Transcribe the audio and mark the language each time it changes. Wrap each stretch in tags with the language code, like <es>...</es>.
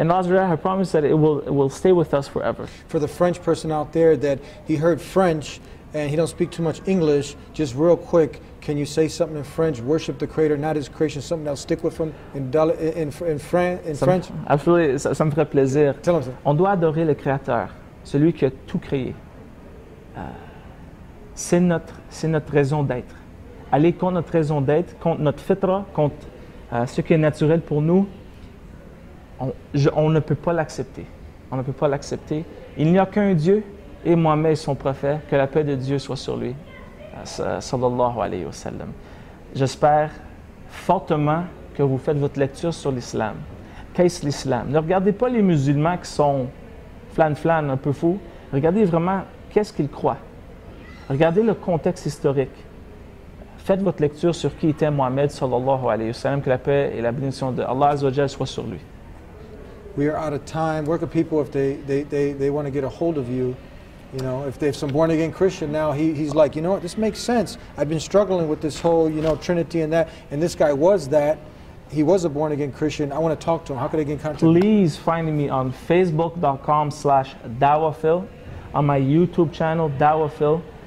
<en>And Allah Zerah have promised that it will stay with us forever. For the French person out there that he heard French and he don't speak too much English, just real quick, can you say something in French, worship the Creator, not his creation, something that'll stick with him in French?</en> <fr>Absolutely, ça me ferait plaisir.</fr> <en>Tell him something.</en> <fr>On doit adorer le Créateur, celui qui a tout créé. C'est notre raison d'être. Aller contre notre raison d'être, contre notre fitra, contre ce qui est naturel pour nous, on ne peut pas l'accepter. On ne peut pas l'accepter. Il n'y a qu'un Dieu, et Mohammed est son prophète, que la paix de Dieu soit sur lui. Sallallahu alayhi wa sallam. J'espère fortement que vous faites votre lecture sur l'islam. Qu'est-ce l'islam? Ne regardez pas les musulmans qui sont flan-flan, un peu fous. Regardez vraiment qu'est-ce qu'ils croient. Regardez le contexte historique. Faites votre lecture sur qui était Mohammed sallallahu alayhi wa sallam, que la paix et la bénédiction de Allah azza wa jalla soit sur lui.</fr> <en>We are out of time. Where can people, if they want to get a hold of you, you know, if they have some born again Christian now, he's like, you know what, this makes sense. I've been struggling with this whole, you know, Trinity and that, and this guy was that. He was a born again Christian. I want to talk to him. How could I get in contact? Please find me on facebook.com/Dawah Phil, on my YouTube channel, Dawah Phil.</en>